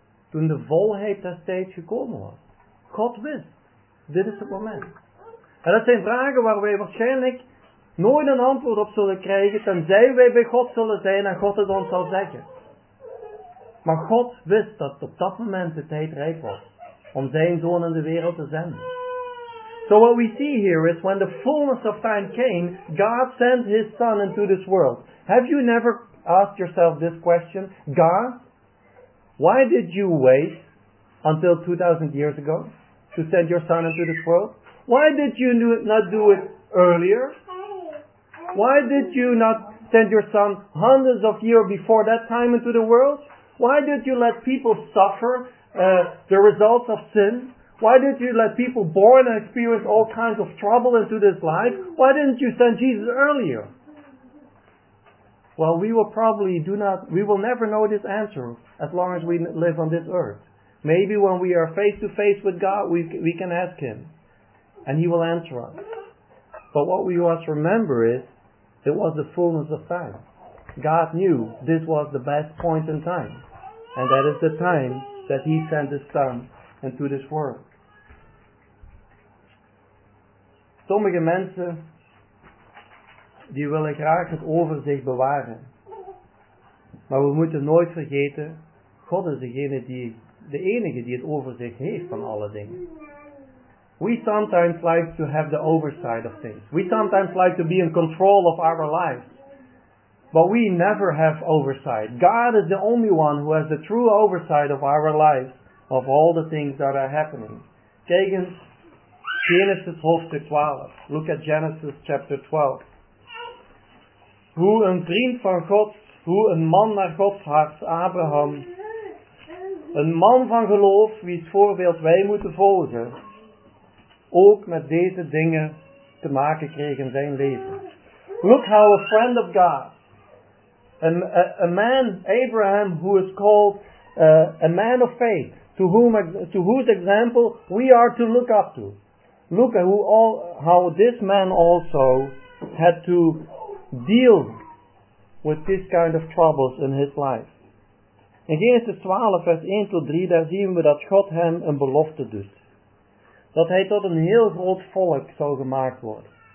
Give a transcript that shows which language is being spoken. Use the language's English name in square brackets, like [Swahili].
[Dutch] Toen de volheid des tijds gekomen was. God wist, dit is het moment. En dat zijn vragen waar wij waarschijnlijk nooit een antwoord op zullen krijgen, tenzij wij bij God zullen zijn en God het ons zal zeggen. Maar God wist dat op dat moment de tijd rijp was om zijn zoon in de wereld te zenden. [English] So what we see here is, when the fullness of time came, God sent his son into this world. Have you never asked yourself this question? God, why did you wait until 2000 years ago to send your son into this world? Why did you not do it earlier? Why did you not send your son hundreds of years before that time into the world? Why did you let people suffer the results of sin? Why did you let people born and experience all kinds of trouble into this life? Why didn't you send Jesus earlier? Well, we will never know this answer as long as we live on this earth. Maybe when we are face to face with God, we can ask him. And he will answer us. But what we must remember is, it was the fullness of time. God knew this was the best point in time. And that is the time that he sent his son into this world. [Dutch] Sommige mensen, die willen graag het overzicht bewaren. Maar we moeten nooit vergeten, God is de enige die het overzicht heeft van alle dingen. [English] We sometimes like to have the oversight of things. We sometimes like to be in control of our lives. But we never have oversight. God is the only one who has the true oversight of our lives, of all the things that are happening. [Dutch] Kijk in Genesis hoofdstuk 12. [English] Look at Genesis chapter 12. [Dutch] Hoe een vriend van God, hoe een man naar Gods hart, Abraham, een man van geloof, wiens voorbeeld wij moeten volgen, ook met deze dingen te maken kreeg in zijn leven. [English] Look how a friend of God, a man, Abraham, who is called a man of faith, to whose example we are to look up to. Look at how this man also had to deal with this kind of troubles in his life. [Dutch] In Genesis 12, vers 1 tot 3, daar zien we dat God hem een belofte doet. Dat hij tot een heel groot volk zou gemaakt worden.